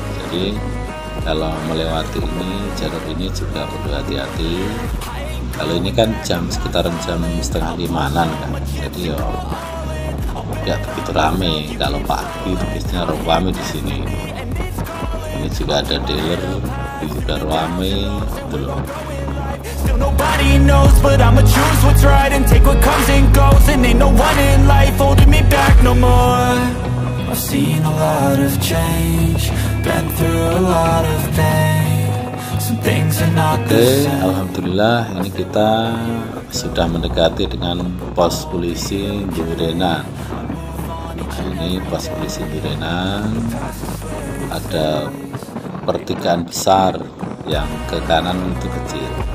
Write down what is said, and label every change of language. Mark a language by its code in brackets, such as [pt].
[id] Jadi kalau melewati ini, jalur ini juga perlu hati-hati. Kalau ini kan jam sekitaran jam 4:30 kan, jadi ya nggak begitu rame. Kalau pagi biasanya rame di sini. Ini juga ada dealer, ini juga rame belum. [en] Nobody knows, but I'ma choose what's right and take what comes and goes. And ain't no one in life holding me back no more. I've seen a lot of change, been through a lot of pain. Some things are not the same. [id] Alhamdulillah, ini kita sudah mendekati dengan pos polisi Durenan. Nah, ini pos polisi Durenan. Ada pertigaan besar, yang ke kanan itu kecil.